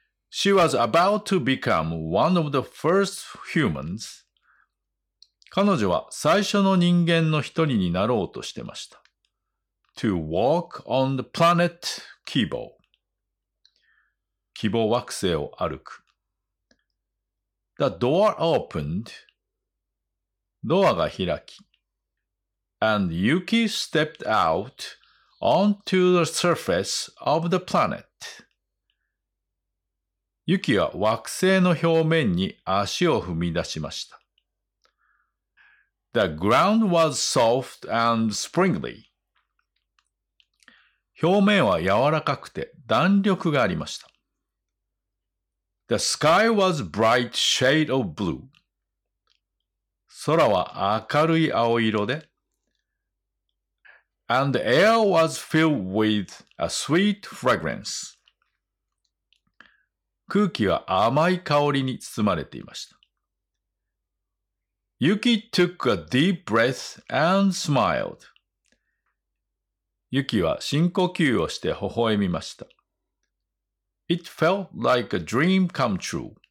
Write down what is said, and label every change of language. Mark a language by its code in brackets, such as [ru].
[en] She was about to become one of the first humans. [ja] 彼女は最初の人間の一人になろうとしてました。 [en] To walk on the planet Kibo. [ja] 希望惑星を歩く。 [en] The door opened. [ja] ドアが開き。 [en] And Yuki stepped out onto the surface of the planet. [ja] Yuki は惑星の表面に足を踏み出しました。 [en] The ground was soft and springy. [ja] 表面は柔らかくて弾力がありました。 [en] The sky was bright shade of blue. [ja] 空は明るい青色で。 [en] And the air was filled with a sweet fragrance. [ja] 空気は甘い香りに包まれていました。 [en] Yuki took a deep breath and smiled. [ja] Yuki は深呼吸をして微笑みました。 [en] It felt like a dream come true.